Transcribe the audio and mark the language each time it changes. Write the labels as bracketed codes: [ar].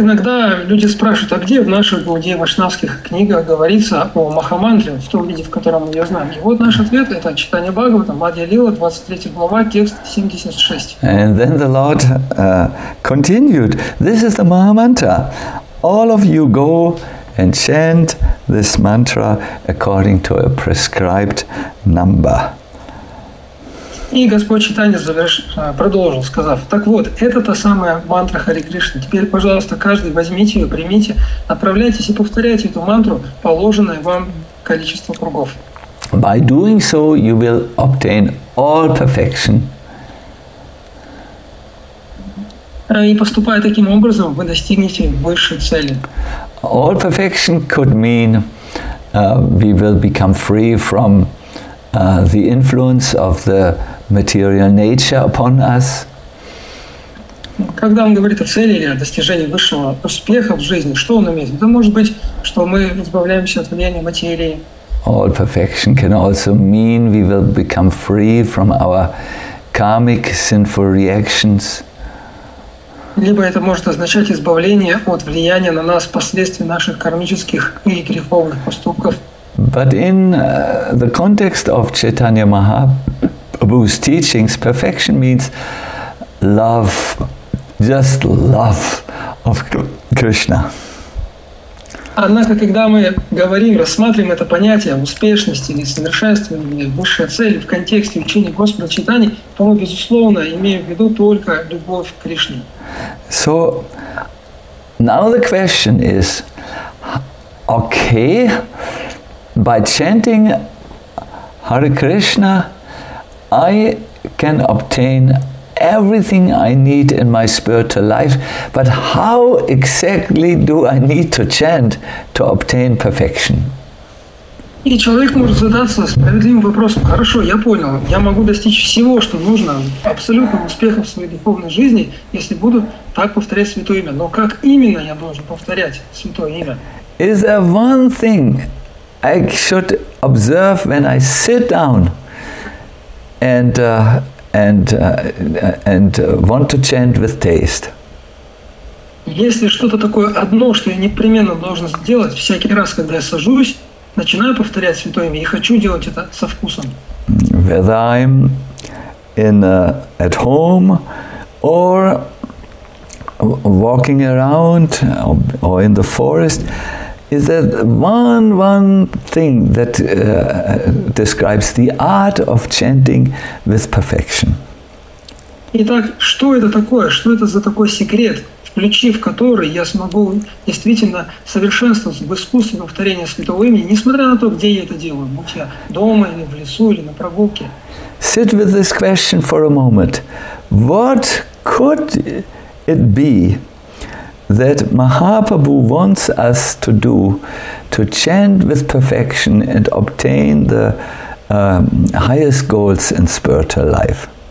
[ru] Иногда люди спрашивают, а где в наших Гаудия Вайшнавских книгах говорится о Махамантре, в том виде, в котором мы ее знаем? И вот наш ответ, это Чайтанья Бхагавата, Мадья Лила, 23 глава, текст 76. [en] And then the Lord continued, this is the Mahamantra. All of you go and chant this mantra according to a prescribed number. [ru] И Господь Чайтанья продолжил, сказав: так вот, это та самая мантра Хари Кришны. Теперь, пожалуйста, каждый возьмите ее, примите, отправляйтесь и повторяйте эту мантру положенное вам количество кругов. [en] By doing so, you will obtain all perfection. [ru] И поступая таким образом, вы достигнете высшей цели. [en] All perfection could mean we will become free from the influence of the material nature upon us. [ru] Когда он говорит о цели или о достижении высшего успеха в жизни, что он имеет? Это может быть, что мы избавляемся от влияния материи. [en] All perfection can also mean we will become free from our karmic sinful reactions. [ru] Либо это может означать избавление от влияния на нас последствий наших кармических и греховных поступков. [en] But in the context of Chaitanya Mahaprabhu's teachings, perfection means love, just love of Krishna. [ru] Однако, когда мы говорим, рассматриваем это понятие успешности, несовершенствования, высшая цель в контексте учения Господа Чайтаньи, то мы, безусловно, имеем в виду только любовь к Кришне. [en] So, now the question is, okay, by chanting Hare Krishna, I can obtain everything I need in my spiritual life, but how exactly do I need to chant to obtain perfection? [ru] И человек может задаться справедливым вопросом: хорошо, я понял, я могу достичь всего, что нужно, абсолютного успеха в своей духовной жизни, если буду так повторять Святое Имя. Но как именно я должен повторять Святое Имя? [en] Is there one thing I should observe when I sit down and want to chant with taste? [ru] Если что-то такое одно, что я непременно должен сделать всякий раз, когда я сажусь, начинаю повторять Святое Имя и хочу делать это со вкусом. [en] Whether I'm in at home or walking around or in the forest, is there one thing that describes the art of chanting with perfection? [ru] Итак, что это такое? Что это за такой секрет, включив который я смогу действительно совершенствоваться в искусстве повторения Святого Имени, несмотря на то, где я это делаю, будь я дома, или в лесу, или на прогулке. [en] Sit with this question for a moment. What could it be that Mahaprabhu wants us to do, to chant with perfection and obtain the highest goals in spiritual life?